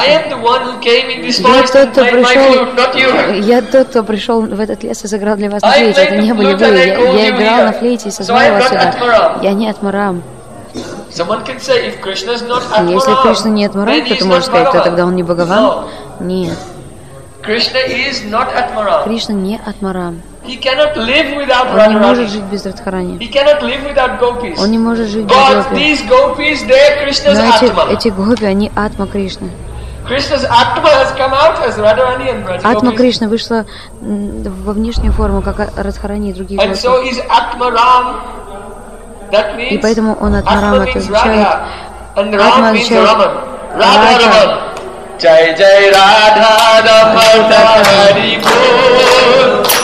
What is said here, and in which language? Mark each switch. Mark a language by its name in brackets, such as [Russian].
[English] I am the one who came in this forest and played my flute, not you. [Russian] Я тот, кто пришел в этот лес и сыграл для вас на флейте. Это не были вы. Я играл на флейте и созвал вас сюда. Я не Атмарам. [English] Someone can say, if Krishna is not Atmaram, [Russian] если Кришна не Атмарам, то ты можешь сказать, тогда он не Бхагаван? Нет. [English] Krishna is not Atmaram. [Russian] Кришна не Атмарам. [English] He cannot live without [Russian] Он не может жить без Радхарани. [English] He cannot live without gopis. [Russian] Он не может жить без гопи. [English] But these gopis, they are Krishna's [Russian] Но эти, [English] Atma. [Russian] Эти гопи, они Атма Кришны. [English] Krishna's Atma has come out as Radharani and Radha. [Russian] Атма Кришна вышла во внешнюю форму, как Радхарани и другие гопи. [English] And so is Атмарам. That means. [Russian] И поэтому он Атмарам, это означает. [English] And Ram means Raman. Radharaman. Jai Jai Radha Raman Hari Bol.